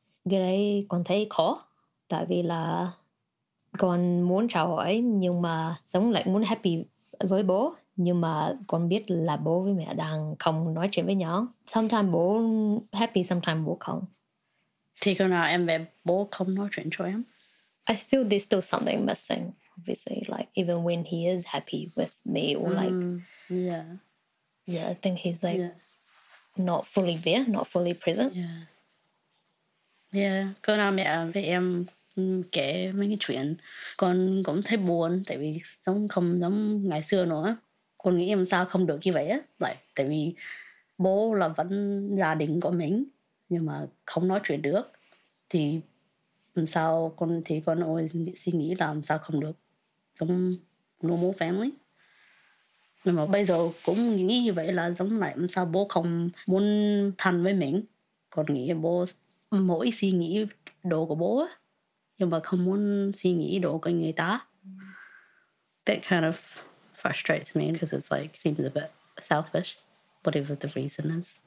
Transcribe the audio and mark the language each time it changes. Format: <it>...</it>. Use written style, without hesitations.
<vi>Cái đấy con thấy khó. Tại vì là con muốn chào hỏi nhưng mà giống lại muốn happy với bố. Nhưng mà con biết là bố với mẹ đang không nói chuyện với nhau. Sometimes bố happy, sometimes bố không. Thì khi nào em về bố không nói chuyện cho em?</vi> <en>I feel there's still something missing, obviously. Like even when he is happy with me or like... Yeah. Yeah, I think he's like not fully there, not fully present.</en> <vi>Yeah, khi nào mẹ với em... kể mấy cái chuyện con cũng thấy buồn tại vì giống không giống ngày xưa nữa. Con nghĩ em sao không được như vậy á, lại tại vì bố là vẫn gia đình của mình nhưng mà không nói chuyện được thì sao con, thì con always suy nghĩ là sao không được giống</vi> <en>normal family.</en> <vi>Nhưng mà bây giờ cũng nghĩ như vậy là giống lại sao bố không muốn thân với mình. Con nghĩ bố mỗi suy nghĩ đồ của bố á, nhưng mà không muốn suy nghĩ đồ của người ta.</vi> <en>That kind of frustrates me because it's like seems a bit selfish, whatever the reason is.</en>